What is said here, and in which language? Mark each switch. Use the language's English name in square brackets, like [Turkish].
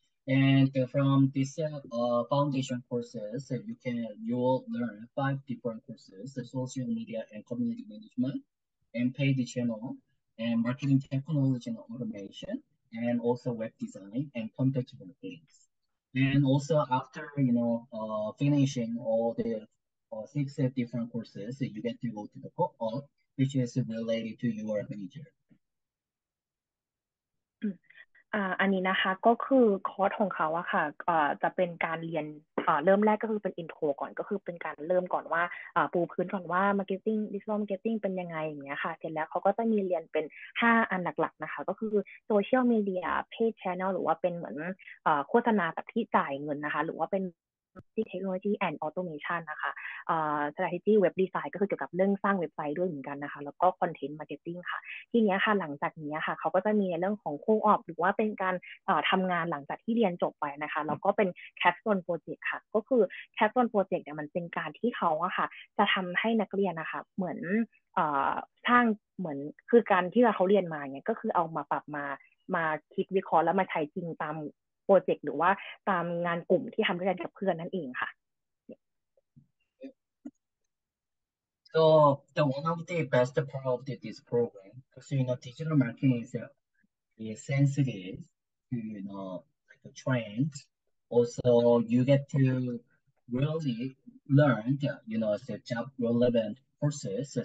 [English] And from this foundation courses, you will learn 5 different courses: social media and community management, and paid channel, and marketing technology and automation, and also web design and content marketing. And also after, you know, finishing all the 6 different courses, you get to go to the co-op, which is related to your major. [Thai] อันนี้นะคะก็คือคอร์สของเขาอะค่ะจะเป็นการเรียนเริ่มแรกก็คือเป็นอินโทรก่อนก็คือเป็นการเริ่มก่อนว่าปูพื้นก่อนว่ามาร์เก็ตติ้งดิจิทัลมาร์เก็ตติ้งเป็นยังไงอย่างเงี้ยค่ะเสร็จแล้วเขาก็จะมีเรียนเป็น5อันหลักๆนะคะก็คือโซเชียลมีเดียเพจแชนเนลหรือว่าเป็นเหมือนโฆษณาแบบที่จ่ายเงินนะคะหรือว่าเป็นที่เทคโนโลยีแอนด์ออโตเมชันนะคะ สตราทีจี้เว็บดีไซน์ก็คือเกี่ยวกับเรื่องสร้างเว็บไซต์ด้วยเหมือนกันนะคะแล้วก็คอนเทนต์มาร์เก็ตติ้งค่ะทีนี้ค่ะหลังจากนี้ค่ะเขาก็จะมีในเรื่องของโคออปหรือว่าเป็นการทำงานหลังจากที่เรียนจบไปนะคะแล้วก็เป็นแคปซูลโปรเจกต์ค่ะก็คือแคปซูลโปรเจกต์เนี่ยมันเป็นการที่เขาอะค่ะจะทำให้นักเรียนนะคะเหมือนสร้างเหมือนคือการที่เขาเรียนมาเนี่ยก็คือเอามาปรับมาคิดวิเคราะห์แล้วมาใช้จริงตามโปรเจกต์หรือว่าตามงานกลุ่มที่ทำด้วยกันกับเพื่อนนั่นเองค่ะ [English] So the one of the best part of this program, because you know digital marketing is sensitive to, you know, like a trend. Also, you get to really learn, you know, the job relevant courses.